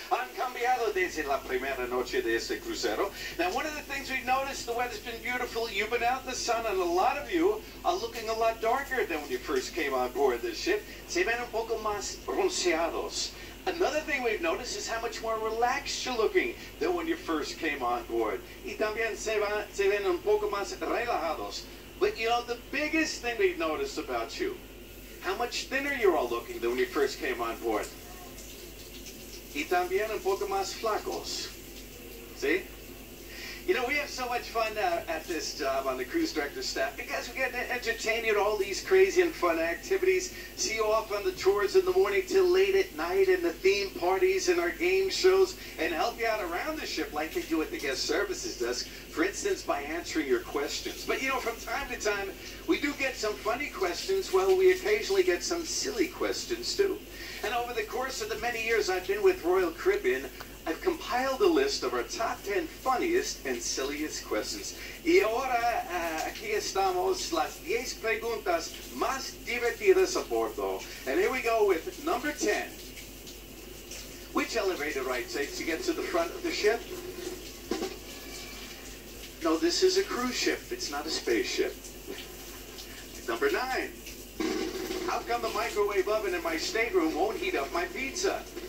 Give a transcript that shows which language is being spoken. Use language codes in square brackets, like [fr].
[es] Encambiado desde la primera noche de ese crucero. [en] Now, one of the things we've noticed, the weather's been beautiful. You've been out in the sun, and a lot of you are looking a lot darker than when you first came on board this ship. [es] Se ven un poco más bronceados. [en] Another thing we've noticed is how much more relaxed you're looking than when you first came on board. [es] Y también se ven un poco más relajados. [en] But, you know, the biggest thing we've noticed about you, how much thinner you're all looking than when you first came on board. [es] Y también un poco más flacos. See? [en] You know, we have so much fun at this job on the cruise director staff because we get to entertain you at all these crazy and fun activities, see you off on the tours in the morning till late at night and the theme parties and our game shows, and help you out around the ship like they do at the guest services desk, for instance, by answering your questions. But, you know, from time to time, we do get some funny questions. Well, we occasionally get some silly questions, too. And over the course of the many years I've been with Royal Caribbean, I've compiled a list of our top 10 funniest and silliest questions. [es] Y ahora, aquí estamos, las 10 preguntas más divertidas a bordo. [en] And here we go with number 10. Which elevator ride takes you get to the front of the ship? No, this is a cruise ship. It's not a spaceship. Number 9. How come the microwave oven in my stateroom won't heat up my pizza?